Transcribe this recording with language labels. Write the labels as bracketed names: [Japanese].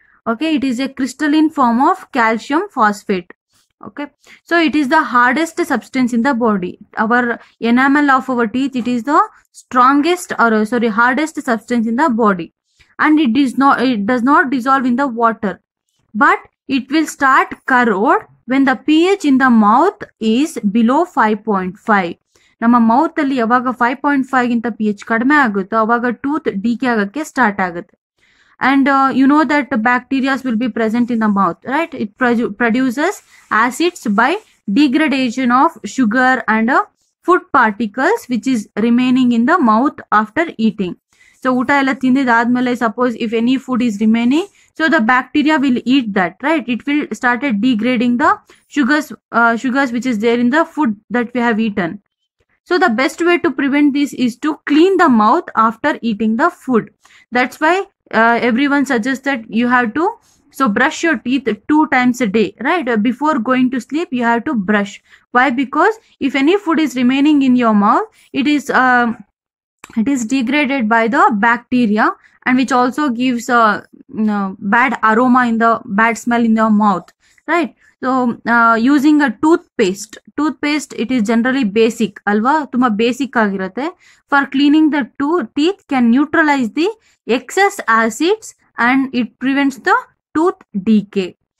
[English] Okay, it is a crystalline form of calcium phosphate. Okay, so it is the hardest substance in the body. Our enamel of our teeth, it is the strongest or sorry hardest substance in the body. And it does not dissolve in the water, but it will start corrode when the pH in the mouth is below 5.5. [Kannada] ನಮ್ಮ mouth ಅಲ್ಲಿ ಯಾವಾಗ 5.5 ಗಿಂತ P H ಕಡಿಮೆ ಆಗುತ್ತೋ ಅವಾಗ tooth DK ಆಗಕ್ಕೆ start ಆಗುತ್ತೆ. [English] And you know that bacterias will be present in the mouth, right? It produces acids by degradation of sugar and food particles which is remaining in the mouth after eating. [Kannada] So ಊಟ ಎಲ್ಲ ತಿಂದಿದಾದ್ಮೇಲೆ [English] Suppose if any food is remaining, so the bacteria will eat that, right? It will started degrading the sugars which is there in the food that we have eaten. So the best way to prevent this is to clean the mouth after eating the food. That's why everyone suggest that you have to so brush your teeth 2 times a day, right? Before going to sleep you have to brush. Why? Because if any food is remaining in your mouth, it is it is degraded by the bacteria, and which also gives a bad aroma in the bad smell in your mouth, right? So using a toothpaste, it is generally basic [Kannada] alva, tuma basic agirate, [English] for cleaning the teeth can neutralize the excess acids and it prevents the tooth decay.